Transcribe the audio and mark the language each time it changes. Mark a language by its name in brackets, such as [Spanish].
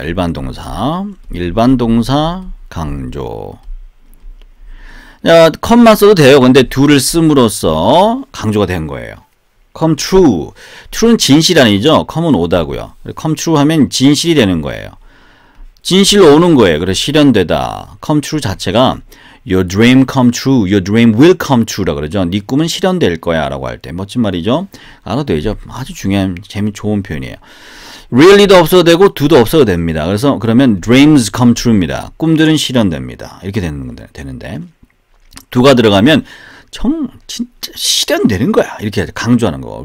[Korean] 일반 동사. 일반 동사 강조. 야, 컴만 써도 돼요. 근데 do를 씀으로써 강조가 된 거예요. [English] come true. [Korean] true는 진실 아니죠? come은 오다고요. come true 하면 진실이 되는 거예요. 진실로 오는 거예요. 그래서 실현되다. [English] come true 자체가 your dream come true, your dream will come true 라고 그러죠. [Korean] 네 꿈은 실현될 거야 라고 할 때. 멋진 말이죠? 알아도 되죠? 아주 중요한, 좋은 표현이에요. really도 없어도 되고 do도 없어도 됩니다. 그래서 그러면 dreams come true 입니다. 꿈들은 실현됩니다. 이렇게 되는데 두가 들어가면 진짜 실현되는 거야. 이렇게 강조하는 거.